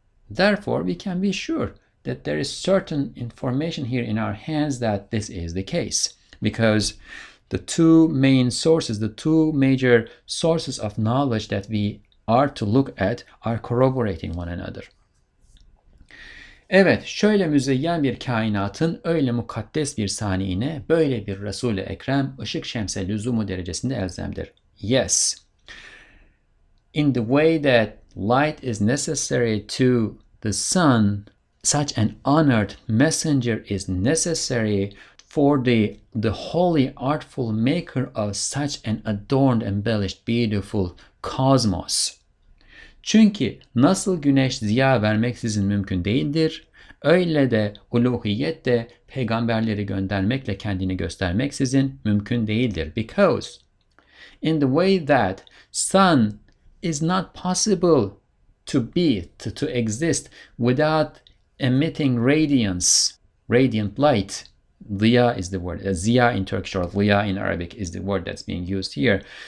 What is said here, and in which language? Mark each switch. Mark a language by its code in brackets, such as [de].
[en] Therefore, we can be sure that there is certain information here in our hands that this is the case, because the two main sources, the two major sources of knowledge that we are to look at are corroborating one another. [tr] Evet, şöyle müzeyyen bir kainatın, öyle mukaddes bir saniyine, böyle bir Resul-i Ekrem, ışık şemse lüzumu derecesinde elzemdir. [en] Yes, in the way that light is necessary to the sun, such an honored messenger is necessary for the holy artful maker of such an adorned, embellished, beautiful cosmos. [tr] Çünkü nasıl güneş ziya vermeksizin mümkün değildir, öyle de uluhiyet de peygamberleri göndermekle kendini göstermeksizin mümkün değildir. [en] Because in the way that sun is not possible to be, to exist without emitting radiance, radiant light. Ziya is the word. Ziya in Turkish or ziya in Arabic is the word that's being used here.